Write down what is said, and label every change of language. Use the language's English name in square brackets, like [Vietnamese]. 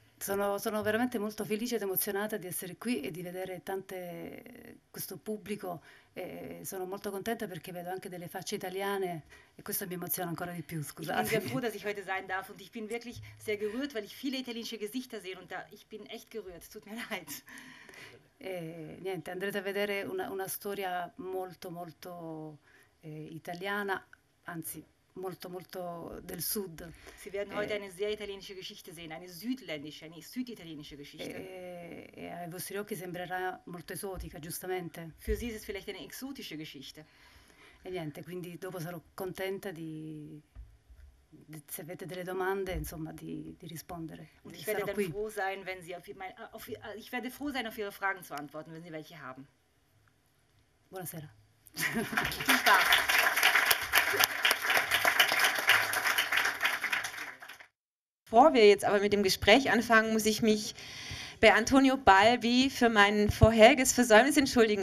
[Italian] Sono veramente molto felice ed emozionata di essere qui e di vedere questo pubblico. Sono molto contenta perché vedo anche delle facce italiane e questo mi emoziona ancora di più, scusate. [German] Ich bin sehr froh, dass ich heute sein darf und ich bin wirklich sehr gerührt, weil ich viele italienische Gesichter sehe und da ich bin echt gerührt. Tut mir leid. [Italian] Niente, andrete a vedere una storia molto molto italiana, anzi molto molto del sud. [German] Sie werden heute eine sehr italienische Geschichte sehen, eine südländische, eine süditalienische Geschichte. [Italian] Ai vostri occhi sembrerà molto esotica, giustamente. [German] Für Sie ist es vielleicht eine exotische Geschichte. [Italian] E niente, quindi dopo sarò contenta di se avete delle domande, insomma, di rispondere. [German] Und ich werde dann [Italian] qui. [German] Froh sein, wenn Sie ich werde froh sein, auf Ihre Fragen zu antworten, wenn Sie welche haben. [Italian] Buonasera. [German] Bevor wir jetzt aber mit dem Gespräch anfangen, muss ich mich bei Antonio Balbi für mein vorheriges Versäumnis entschuldigen.